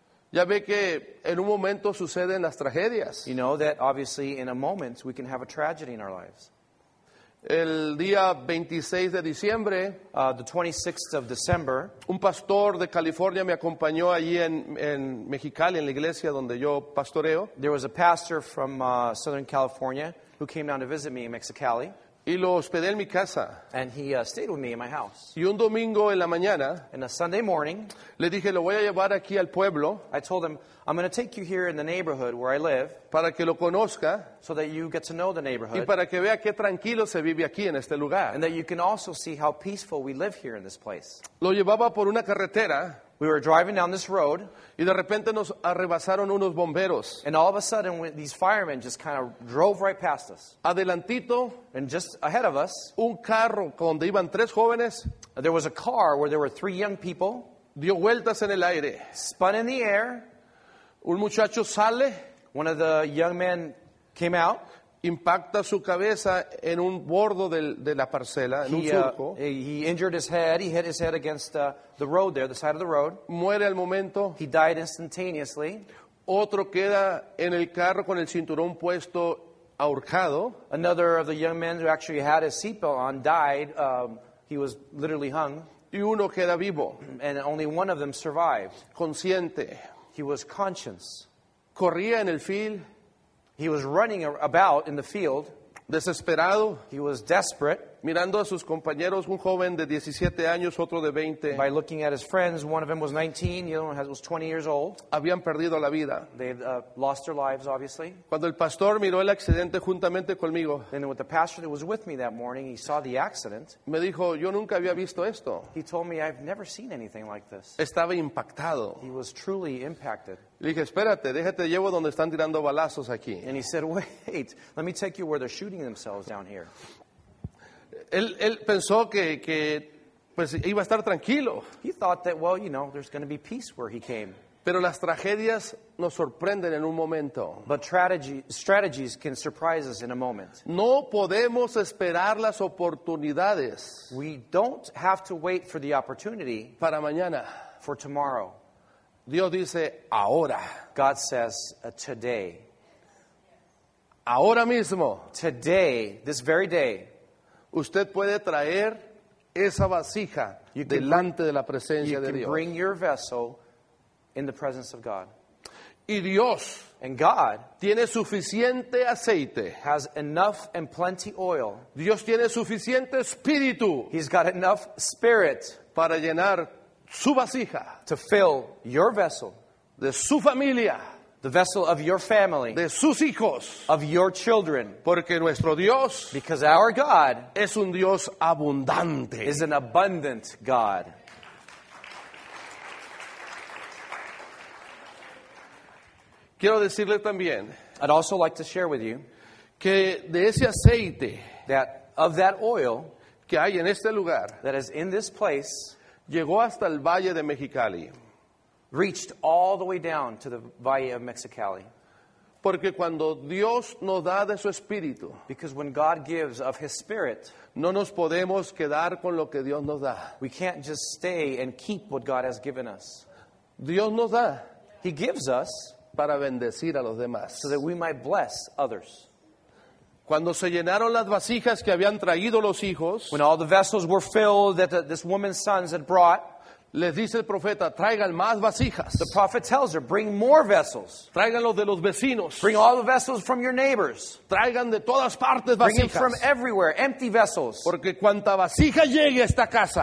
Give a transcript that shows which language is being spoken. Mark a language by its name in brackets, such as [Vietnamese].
[Spanish] Ya ve que en un momento suceden las tragedias. [English] You know that obviously in a moment we can have a tragedy in our lives. [Spanish] El día 26 de diciembre, [English] the 26th of December, [Spanish] un pastor de California me acompañó allí en Mexicali, en la iglesia donde yo pastoreo. [English] There was a pastor from Southern California who came down to visit me in Mexicali. [Spanish] Y lo hospedé en mi casa. [English] And he stayed with me in my house. [Spanish] Y un domingo en la mañana, [English] and a Sunday morning, [Spanish] le dije, lo voy a llevar aquí al pueblo. [English] I told him, I'm going to take you here in the neighborhood where I live. [Spanish] Para que lo conozca. [English] So that you get to know the neighborhood. [Spanish] Y para que vea qué tranquilo se vive aquí en este lugar. [English] And that you can also see how peaceful we live here in this place. [Spanish] Lo llevaba por una carretera. [English] We were driving down this road. [Spanish] Y de repente nos arrebasaron unos bomberos. [English] And all of a sudden, these firemen just kind of drove right past us. [Spanish] Adelantito. [English] And just ahead of us. [Spanish] Un carro donde iban tres jóvenes. [English] There was a car where there were three young people. [Spanish] Dio vueltas en el aire. [English] Spun in the air. [Spanish] Un muchacho sale. [English] One of the young men came out. [Spanish] Impacta su cabeza en un bordo de la parcela, en un surco. [English] He injured his head. He hit his head against the road there, the side of the road. [Spanish] Muere al momento. [English] He died instantaneously. [Spanish] Otro queda en el carro con el cinturón puesto ahorcado. [English] Another of the young men who actually had his seatbelt on died. He was literally hung. [Spanish] Y uno queda vivo. [English] And only one of them survived. [Spanish] Consciente. [English] He was conscious. [Spanish] Corría en el field. [English] He was running about in the field. [Spanish] Desesperado. [English] He was desperate. [Spanish] Mirando a sus compañeros, un joven de 17 años, otro de 20. [English] By looking at his friends, one of them was 19, the other one was 20 years old. [Spanish] Habían perdido la vida. [English] They had lost their lives, obviously. [Spanish] Cuando el pastor miró el accidente juntamente conmigo. [English] And with the pastor that was with me that morning, he saw the accident. [Spanish] Me dijo, yo nunca había visto esto. [English] He told me, I've never seen anything like this. [Spanish] Estaba impactado. [English] He was truly impacted. [Spanish] Le dije, espérate, déjate llevo donde están tirando balazos aquí. [English] And he said, wait, let me take you where they're shooting themselves down here. [Spanish] Él pensó que pues iba a estar tranquilo. [English] He thought that, well, you know, there's going to be peace where he came. [Spanish] Pero las tragedias nos sorprenden en un momento. [English] But strategies can surprise us in a moment. [Spanish] No podemos esperar las oportunidades. [English] We don't have to wait for the opportunity. [Spanish] Para mañana. [English] For tomorrow. [Spanish] Dios dice, ahora. [English] God says, today. [Spanish] Ahora mismo. [English] Today, this very day. [Spanish] Usted puede traer esa vasija delante de la presencia de Dios. [English] You can bring your vessel in the presence of God. [Spanish] Y Dios, [English] and God, [Spanish] tiene suficiente aceite. [English] Has enough and plenty oil. [Spanish] Dios tiene suficiente espíritu. [English] He's got enough spirit [Spanish] para llenar su vasija. [English] To fill your vessel. [Spanish] De su familia. [English] The vessel of your family. [Spanish] De sus hijos. [English] Of your children. [Spanish] Porque nuestro Dios. [English] Because our God. [Spanish] Es un Dios abundante. [English] Is an abundant God. [Spanish] Quiero decirle también. [English] I'd also like to share with you. [Spanish] Que de ese aceite. [English] That of that oil. [Spanish] Que hay en este lugar. [English] That is in this place. [Spanish] Llegó hasta el Valle de Mexicali. [English] Reached all the way down to the Valle of Mexicali. [Spanish] Porque cuando Dios nos da de su espíritu, [English] because when God gives of his spirit, [Spanish] no nos podemos quedar con lo que Dios nos da. [English] We can't just stay and keep what God has given us. [Spanish] Dios nos da. [English] He gives us [Spanish] para bendecir a los demás. [English] So that we might bless others. [Spanish] Cuando se llenaron las vasijas que habían traído los hijos, [English] when all the vessels were filled that this woman's sons had brought, [Spanish] les dice el profeta, traigan más vasijas. [English] The prophet tells her, bring more vessels. [Spanish] Traigan los de los vecinos. [English] Bring all the vessels from your neighbors. [Spanish] Traigan de todas partes vasijas. [English] Bring it from everywhere, empty vessels. [Spanish] Porque cuanta vasija llegue a esta casa,